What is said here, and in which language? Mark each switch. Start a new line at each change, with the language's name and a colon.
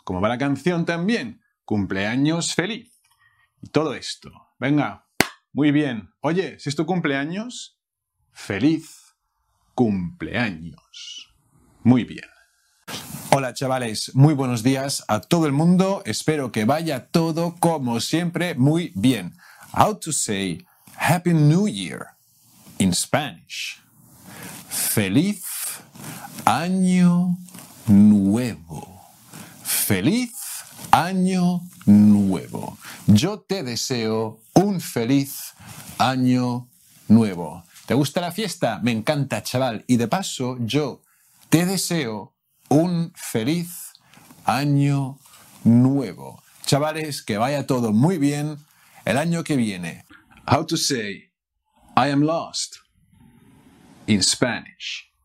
Spanish: Como va la canción también. Cumpleaños feliz. Y todo esto. Venga, Muy bien. Oye, si es tu cumpleaños, feliz cumpleaños. Muy bien. Hola, chavales. Muy buenos días a todo el mundo. Espero que vaya todo, como siempre, muy bien.
English: How to say Happy New Year in Spanish?
Spanish: Feliz Año Nuevo. Feliz Año Nuevo. Yo te deseo un feliz Año Nuevo. ¿Te gusta la fiesta? Me encanta, chaval. Y de paso, yo te deseo un feliz Año Nuevo. Chavales, que vaya todo muy bien el año que viene.
English: How to say I am lost in Spanish?